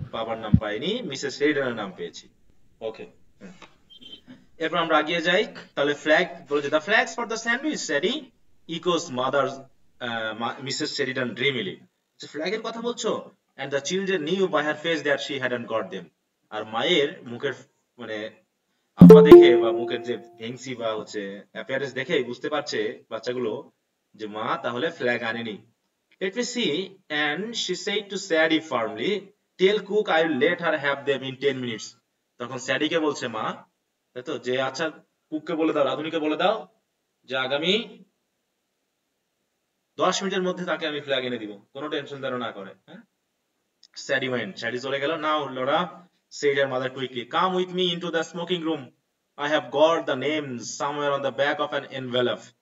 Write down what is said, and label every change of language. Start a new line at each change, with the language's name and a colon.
Bangla: বাবার নাম পাইনি, মিসেস সেইডারের নাম পেয়েছি। ওকে এরপর আমরা এগিয়ে যাই, তাহলে ফ্ল্যাগ বলো যে
English: the flags for the sandwich Sadie echoes mother Mrs Sheridan dreamily,
Bangla: যে ফ্ল্যাগের কথা বলছো,
English: and the children knew by her face that she hadn't got them,
Bangla: আর মায়ের মুখের মানে আম্মা দেখে বা মুখের যে ভেংসি বা হচ্ছে অ্যাপিয়ারেন্স দেখে বুঝতে পারছে বাচ্চাগুলো যে মা তাহলে ফ্ল্যাগ আনেনি।
English: Let me see, and she said to Sadie firmly, tell cook I will let her have them in 10 minutes.
Bangla: তখন স্যাডিকে বলছে মা তাই তো, যে আচ্ছা কুককে বলে দাও, রাধুনিকে বলে দাও যে আগামী 10 মিনিটের মধ্যে তাকে আমি ফ্ল্যাগ এনে দিব, কোনো টেনশন ধারণ না করে।
English: হ্যাঁ Sadie went,
Bangla: স্যাডি চলে গেল।
English: Now Laura said her mother quickly, come with me into the smoking room, I have got the name somewhere on the back of an envelope.